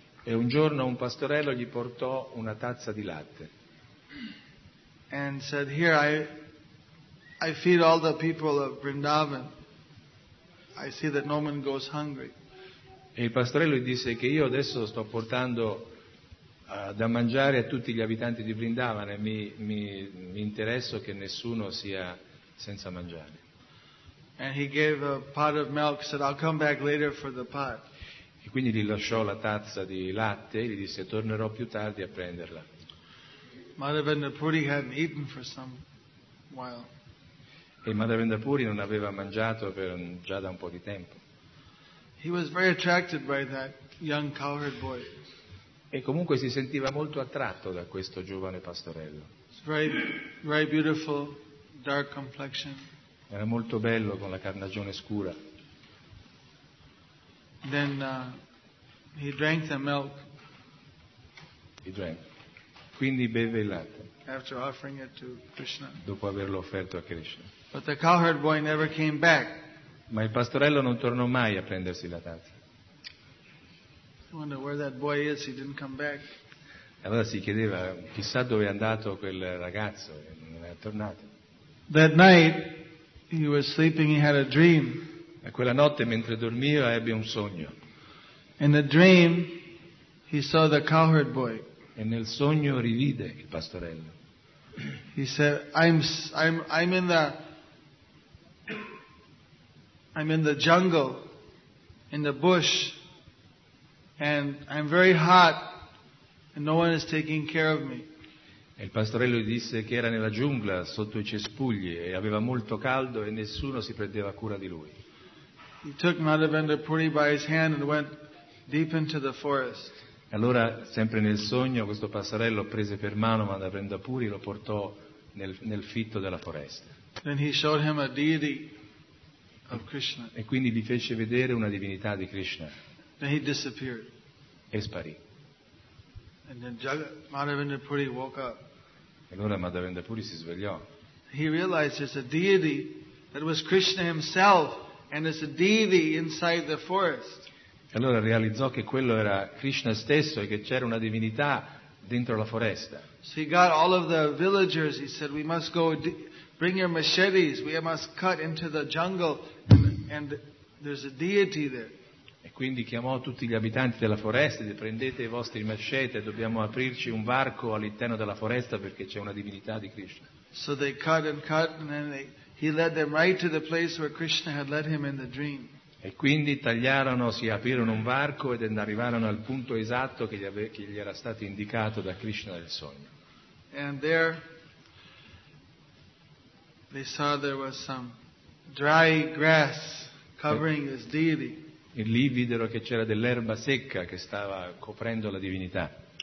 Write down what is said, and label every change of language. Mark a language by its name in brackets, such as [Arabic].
[Italian] E un giorno un pastorello gli portò una tazza di latte. [English] And said, "Here, I feed all the people of Vrindavan. I see that no one goes hungry." [Italian] E il pastorello gli disse che io adesso sto portando da mangiare a tutti gli abitanti di Vrindavan e mi interesso che nessuno sia senza mangiare. [English] And he gave a pot of milk, said, "I'll come back later for the pot." [Italian] E quindi gli lasciò la tazza di latte e gli disse, "Tornerò più tardi a prenderla." [English] Madhavendra Puri hadn't eaten for some while. [Italian] E Madhavendra Puri non aveva mangiato per già da un po' di tempo. [English] He was very attracted by that young cowherd boy. [Italian] E comunque si sentiva molto attratto da questo giovane pastorello. [English] Very, very beautiful, dark complexion. [Italian] Era molto bello con la carnagione scura. [English] Then he drank the milk. He drank. [Italian] Quindi beve il latte. [English] After offering it to Krishna. [Italian] Dopo averlo offerto a Krishna. [English] But the cowherd boy never came back. [Italian] Ma il pastorello non tornò mai a prendersi la tazza. [English] I wonder where that boy is. He didn't come back. [Italian] Allora si chiedeva, chissà dove è andato quel ragazzo, e non è tornato. [English] That night he was sleeping, he had a dream. [Italian] E quella notte mentre dormiva ebbe un sogno. [English] In the dream he saw the cowherd boy. [Italian] E nel sogno rivide il pastorello. [English] He said, I'm in the jungle, in the bush, and I'm very hot. No one is taking care of me. [Italian] E il pastorello gli disse che era nella giungla sotto i cespugli e aveva molto caldo e nessuno si prendeva cura di lui. [English] He took Madhavendrapuri by his hand and went deep into the forest. [Italian] E allora, sempre nel sogno, questo pastorello prese per mano Madhavendrapuri e lo portò nel fitto della foresta. [English] Then he showed him a deity of Krishna. [Italian] E quindi gli fece vedere una divinità di Krishna. [English] Then he disappeared. [Italian] E sparì. [English] And then Madhavendrapuri woke up. [Italian] E allora Madhavendrapuri si svegliò. [English] He realized there's a deity that was Krishna himself, and there's a deity inside the forest. [Italian] E allora realizzò che quello era Krishna stesso e che c'era una divinità dentro la foresta. [English] So he got all of the villagers. He said, "We must go. Bring your machetes. We must cut into the jungle, and there's a deity there." [Italian] E quindi chiamò tutti gli abitanti della foresta, prendete i vostri machete, dobbiamo aprirci un varco all'interno della foresta perché c'è una divinità di Krishna. [English] So they cut and cut, and then he led them right to the place where Krishna had led him in the dream. [Italian] E quindi tagliarono, si aprirono un varco ed arrivarono al punto esatto che gli era stato indicato da Krishna nel sogno. [English] And there they saw there was some dry grass covering his deity. [Italian] E lì videro che c'era dell'erba secca che stava coprendo la divinità.